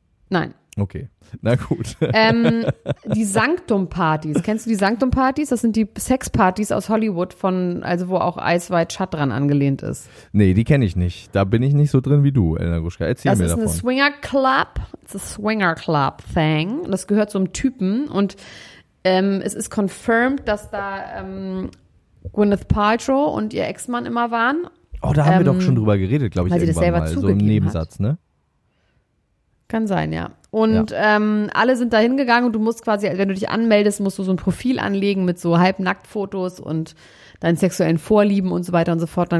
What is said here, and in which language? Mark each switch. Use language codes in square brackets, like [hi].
[de] Nein. Okay, na gut. Die Sanctum-Partys. Kennst du die Sanctum-Partys? Das sind die Sex-Partys aus Hollywood, also wo auch Ice White Shut dran angelehnt ist. Nee, die kenne ich nicht. Da bin ich nicht so drin wie du, Elena Gruschka. Erzähl das mir davon. Das ist eine Swinger-Club. [en] It's a Swinger-Club-Thing. [de] Das gehört zum Typen. Und es ist confirmed, dass da Gwyneth Paltrow und ihr Ex-Mann immer waren. Oh, da haben wir doch schon drüber geredet, glaube ich, weil irgendwann sie das selber mal. Zugegeben so im Nebensatz, hat. Ne? Kann sein, ja. Und alle sind da hingegangen und du musst quasi, wenn du dich anmeldest, musst du so ein Profil anlegen mit so Halbnacktfotos und deinen sexuellen Vorlieben und so weiter und so fort.